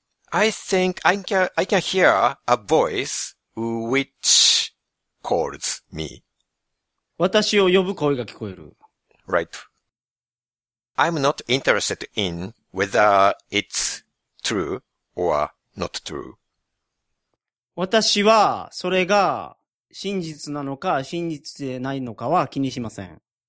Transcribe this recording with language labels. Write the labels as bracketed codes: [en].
[en] I think I can hear a voice which calls me. [ja] 私を呼ぶ声が聞こえる。 [en] Right. I'm not interested in whether it's true or not true. [ja] 私はそれが真実なのか真実でないのかは気にしません。